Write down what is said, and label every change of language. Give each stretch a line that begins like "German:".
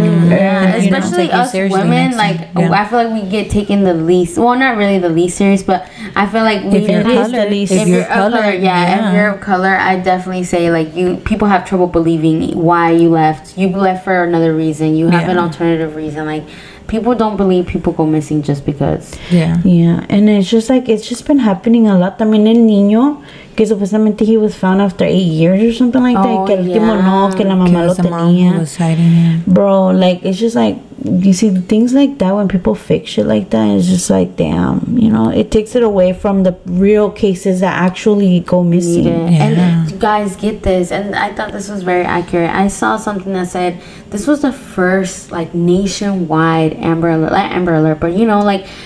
English: Especially us women, I feel like we get taken the least, well, not really the least serious, but I feel like we, if you're of color, I definitely say like people have trouble believing why you left. You left for another reason. You have an alternative reason. Like, people don't believe people go missing just because. Yeah. And it's just like, it's just been happening a lot. I mean,
Spanish: El Niño, que supuestamente
English: he was found after 8 years or something like that.
Spanish: Que el último no, que la mamá lo tenía.
English: Bro, like, it's just like, you see, things like that, when people fix shit like that, it's just like, damn, you know, it takes it away from the real cases that actually go missing. And guys, get this, and I thought this was very accurate. I saw something that said this was the first, like, nationwide Amber Alert, but, you know, like,